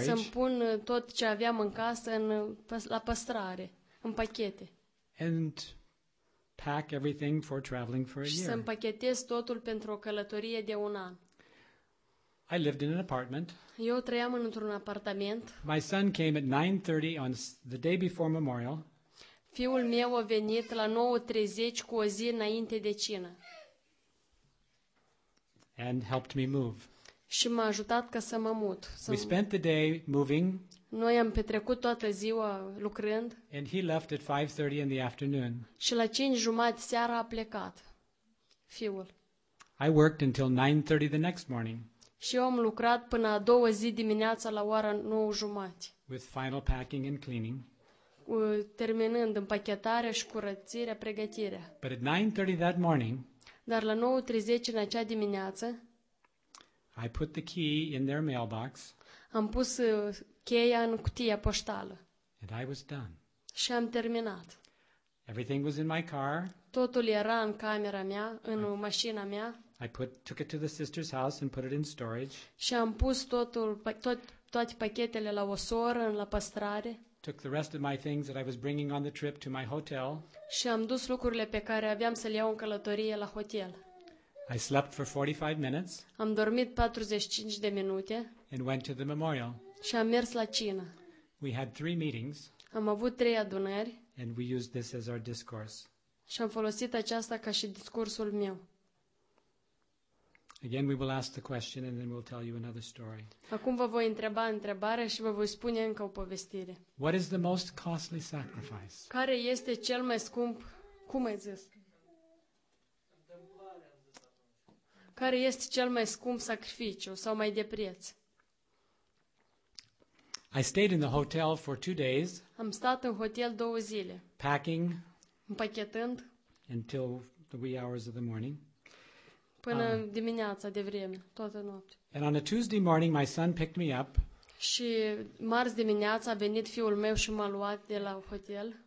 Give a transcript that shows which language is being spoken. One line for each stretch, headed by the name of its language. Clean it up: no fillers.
Romanian: Ca să-mi pun tot ce aveam în casă la păstrare, în pachete.
English: And pack everything for traveling for a year.
Romanian: Și să-mi pachetez totul pentru o călătorie de un an.
English: I lived in an apartment.
Romanian: Eu trăiam într-un apartament.
English: My son came at 9:30 on the day before Memorial.
Romanian: Fiul meu a venit la 9:30 cu o zi înainte de cină.
English: And helped me move.
Romanian: Și m-a ajutat ca să mă mut.
English: We spent the day moving.
Romanian: Noi am petrecut toată ziua lucrând.
English: And he left at 5:30 in the afternoon.
Romanian: Și la 5:30 seara a plecat fiul.
English: I worked until 9:30 the next morning.
Romanian: Și eu am lucrat până a doua zi dimineața la ora 9:30.
English: With final packing and cleaning.
Romanian: Terminând împachetarea și curățirea, pregătirea.
English: But at 9:30 that morning,
Romanian: dar la 9:30 în acea dimineață,
English: I put the key in their mailbox.
Romanian: Am pus cheia în cutia poștală.
English: And I was done.
Romanian: Și am terminat.
English: Everything was in my car.
Romanian: Totul era în camera mea, în mașina mea.
English: Took it to the sister's house and put it in storage.
Romanian: Și am pus toate pachetele la o soră, la păstrare.
English: Took the rest of my things that I was bringing on the trip to my hotel.
Romanian: Și am dus lucrurile pe care aveam să le iau în călătorie la hotel.
English: I slept for 45 minutes.
Romanian: Am dormit 45 de minute.
English: And went to the memorial.
Romanian: Și am mers la cină.
English: We had three meetings.
Romanian: Am avut trei adunări.
English: And we used this as our discourse.
Romanian: Și am folosit aceasta ca și discursul meu.
English: Again, we will ask the question and then we'll tell you another story.
Romanian: Acum vă voi întreba întrebarea și vă voi spune încă o povestire.
English: What is the most costly sacrifice?
Romanian: Care este cel mai scump? Cum ai zis? Care este cel mai scump sacrificiu sau mai de preț?
English: I stayed in the hotel for 2 days.
Romanian: Am stat în hotel 2 zile.
English: Packing.
Romanian: Împachetând.
English: Until the wee hours of the morning.
Romanian: Până dimineața de vreme, toată noapte.
English: And on a Tuesday morning my son picked me up.
Romanian: Și marți dimineața a venit fiul meu și m-a luat de la hotel.